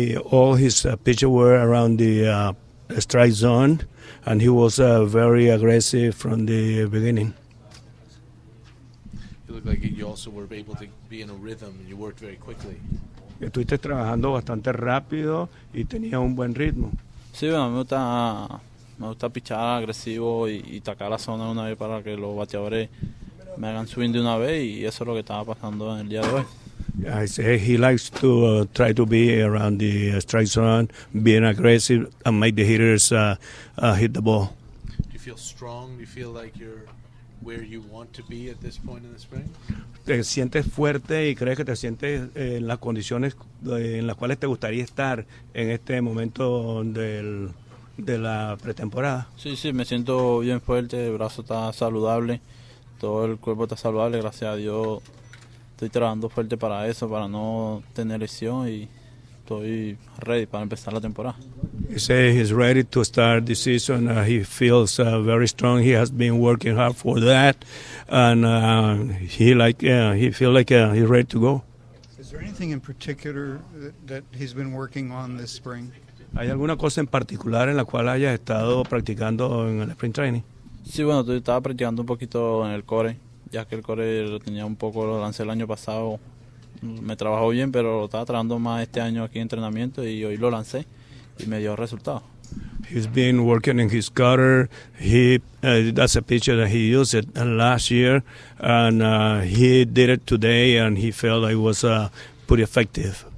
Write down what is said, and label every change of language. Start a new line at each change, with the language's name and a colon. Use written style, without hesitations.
English: All his pitches were around the strike zone, and he was very aggressive from the beginning. It looked like you also were able to be in a rhythm and you worked very quickly.
Spanish: Estuviste trabajando bastante rápido y tenía un buen ritmo. Sí, bueno, me gusta pichar agresivo y atacar la zona una vez para que los bateadores me hagan swing de una vez y eso es lo que estaba pasando en el día de hoy.
English: I say he likes to try to be around the strike zone, being aggressive and make the hitters hit the ball. Do you feel strong? Do you feel like you're where you want to be at this point in the spring?
Spanish: ¿Te sientes fuerte y crees que te sientes en las condiciones en las cuales te gustaría estar en este momento de la pretemporada? Sí, me siento bien fuerte, el brazo está saludable, todo el cuerpo está saludable, gracias a Dios estoy trabajando fuerte para eso, para no tener lesión y estoy ready para empezar la temporada.
English: He says he's ready to start the season. He feels very strong. He has been working hard for that, and he feel like he's ready to go. Is there anything in particular that he's been working on this spring?
Spanish: ¿Hay alguna cosa en particular en la cual haya estado practicando en el sprint training? Sí, bueno, yo estaba practicando un poquito en el core, ya que el core lo tenía un poco, lo lancé el año pasado, me trabajó bien, pero lo estaba trabajando más este año aquí en entrenamiento y hoy lo lancé y me dio resultado.
English: He's been working in his cutter. That's a pitch that he used it last year, and he did it today, and he felt it was pretty effective.